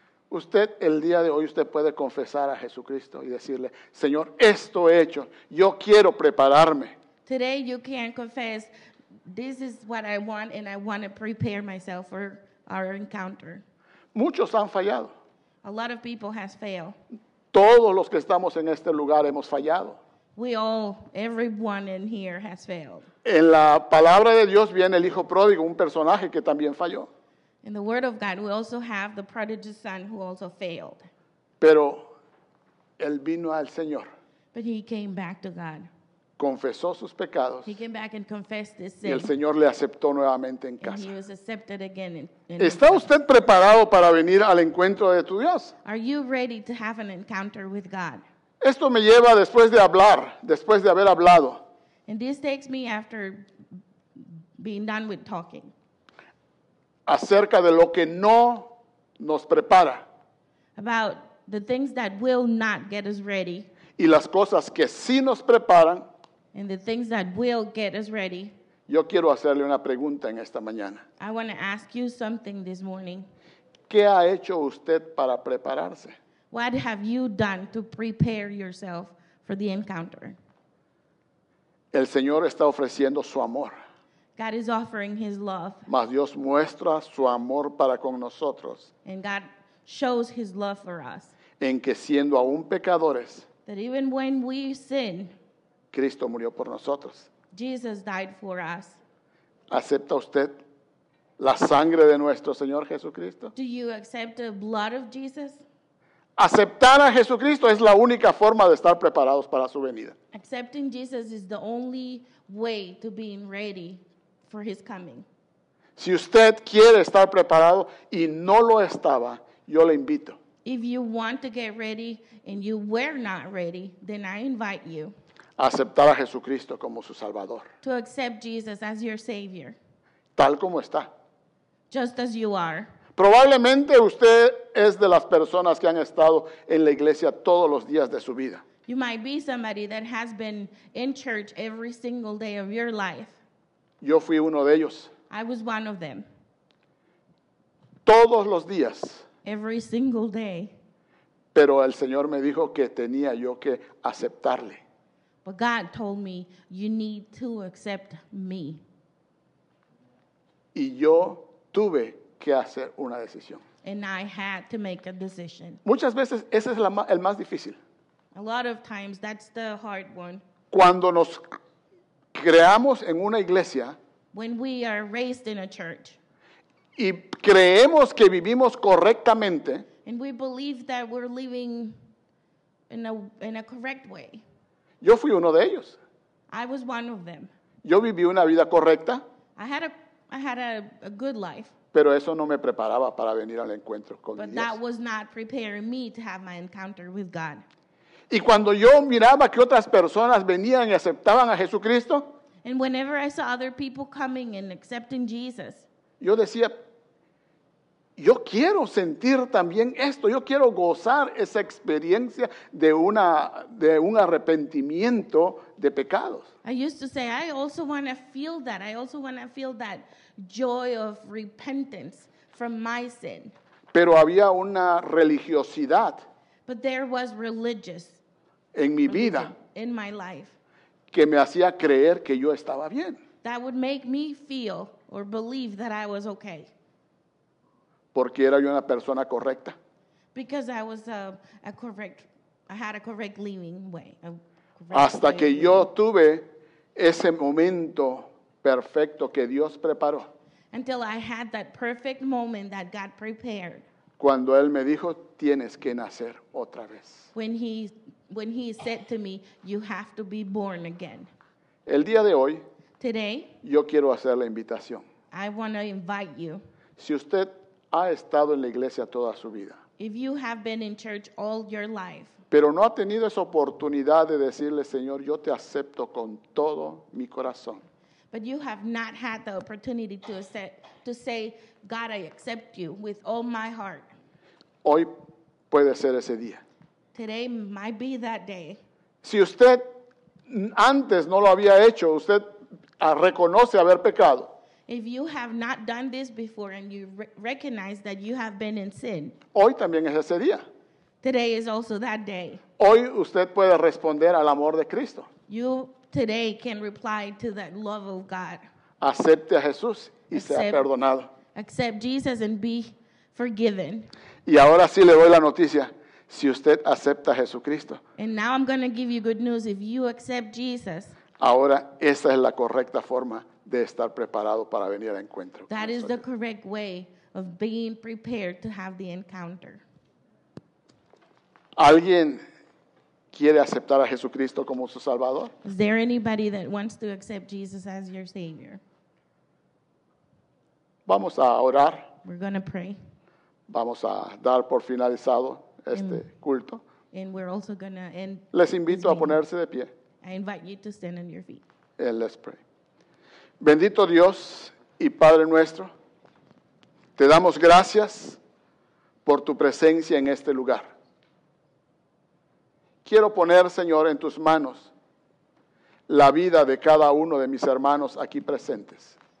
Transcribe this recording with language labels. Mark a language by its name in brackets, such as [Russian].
[Spanish] Usted el día de hoy usted puede confesar a Jesucristo y decirle, Señor, esto he hecho, yo quiero prepararme. [English] Today you can confess, this is what I want and I want to prepare myself for our encounter. [Spanish] Muchos han fallado. [English] A lot of people has failed. [Spanish] Todos los que estamos en este lugar hemos fallado. [English] We all, everyone in here has failed. [Spanish] En la palabra de Dios viene el hijo pródigo, un personaje que también falló. [English] In the word of God, we also have the prodigal son who also failed. [Spanish] Pero él vino al Señor. [English] But he came back to God. [Spanish] Confesó sus pecados. [English] He came back and confessed his sin. [Spanish] Y el Señor le aceptó nuevamente en casa. [English] And he was accepted again. [Spanish] ¿Está usted preparado para venir al encuentro de tu Dios? [English] Are you ready to have an encounter with God? [Spanish] Esto me lleva después de hablar, después de haber hablado. [English] And this takes me after being done with talking. [Spanish] Acerca de lo que no nos prepara. [English] About the things that will not get us ready. [Spanish] Y las cosas que sí nos preparan. [English] And the things that will get us ready. [Spanish] Yo quiero hacerle una pregunta en esta mañana. [English] I want to ask you something this morning. [Spanish] ¿Qué ha hecho usted para prepararse? [English] What have you done to prepare yourself for the encounter? [Spanish] El Señor está ofreciendo su amor. [English] God is offering His love. [Spanish] Mas Dios muestra su amor para con nosotros. [English] And God shows His love for us. [Spanish] En que siendo aún pecadores. [English] That even when we sin. [Spanish] Cristo murió por nosotros. [English] Jesus died for us. [Spanish] ¿Acepta usted la sangre de nuestro Señor Jesucristo? [English] Do you accept the blood of Jesus? [Spanish] Aceptar a Jesucristo es la única forma de estar preparados para su venida. [English] Accepting Jesus is the only way to being ready. For His coming. [Spanish] Si usted quiere estar preparado y no lo estaba, yo le invito. [English] If you want to get ready and you were not ready, then I invite you. [Spanish] A aceptar a Jesucristo como su Salvador. [English] To accept Jesus as your Savior. [Spanish] Tal como está. [English] Just as you are. [Spanish] Probablemente usted es de las personas que han estado en la iglesia todos los días de su vida. [English] You might be somebody that has been in church every single day of your life. [Spanish] Yo fui uno de ellos. [English] I was one of them. [Spanish] Todos los días. [English] Every single day. [Spanish] Pero el Señor me dijo que tenía yo que aceptarle. [English] But God told me, you need to accept me. [Spanish] Y yo tuve que hacer una decisión. [English] And I had to make a decision. [Spanish] Muchas veces ese es el más difícil. [English] A lot of times that's the hard one. [Spanish] Cuando nos creamos en una iglesia. [English] When we are raised in a church. [Spanish] Y creemos que vivimos correctamente. [English] And we believe that we're living in a correct way. [Spanish] Yo fui uno de ellos. [English] I was one of them. [Spanish] Yo viví una vida correcta. [English] I had a good life. [Spanish] Pero eso no me preparaba para venir al encuentro con [English] but [Spanish] Dios. [English] But that was not preparing me to have my encounter with God. [Spanish] Y cuando yo miraba que otras personas venían y aceptaban a Jesucristo. [English] And whenever I saw other people coming and accepting Jesus. [Spanish] Yo decía, yo quiero sentir también esto. Yo quiero gozar esa experiencia de un arrepentimiento de pecados. [English] I used to say, I also want to feel that. I also want to feel that joy of repentance from my sin. [Spanish] Pero había una religiosidad. [English] But there was religious. [Spanish] En mi vida. [English] In my life. [Spanish] Que me hacía creer que yo estaba bien. [English] That would make me feel or believe that I was okay. [Spanish] Porque era yo una persona correcta. [English] Because I was a correct, I had a correct living way. [Spanish] Hasta que yo tuve ese momento perfecto que Dios preparó. [English] Until I had that perfect moment that God prepared. [Spanish] Cuando Él me dijo, tienes que nacer otra vez. [English] When he said to me, you have to be born again. [Spanish] El día de hoy, [English] today, [Spanish] yo quiero hacer la invitación. [English] I want to invite you. [Spanish] Si usted ha estado en la iglesia toda su vida. [English] If you have been in church all your life. [Spanish] Pero no ha tenido esa oportunidad de decirle, Señor, yo te acepto con todo mi corazón. [English] But you have not had the opportunity to say, God, I accept you with all my heart. [Spanish] Hoy puede ser ese día. [English] Today might be that day. [Spanish] Si usted antes no lo había hecho, usted reconoce haber pecado. [English] If you have not done this before and you recognize that you have been in sin. [Spanish] Hoy también es ese día. [English] Today is also that day. [Spanish] Hoy usted puede responder al amor de Cristo. [English] You today can reply to that love of God. [Spanish] Acepte a Jesús y sea perdonado. [English] Accept Jesus and be forgiven. [Spanish] Y ahora sí le doy la noticia. Si usted acepta a Jesucristo. [English] And now I'm going to give you good news. If you accept Jesus. [Spanish] Ahora esa es la correcta forma de estar preparado para venir al encuentro. [English] That is the correct way of being prepared to have the encounter. [Spanish] ¿Alguien quiere aceptar a Jesucristo como su Salvador? [English] Is there anybody that wants to accept Jesus as your Savior? [Spanish] Vamos a orar. [English] We're going to pray. [Spanish] Vamos a dar por finalizado este culto. [English] And we're also going to end. [Spanish] Les invito a ponerse de pie. [English] I invite you to stand on your feet. And let's pray. [Spanish] Bendito Dios y Padre nuestro, te damos gracias por tu presencia en este lugar. Quiero poner, Señor, en tus manos la vida de cada uno de mis hermanos aquí presentes.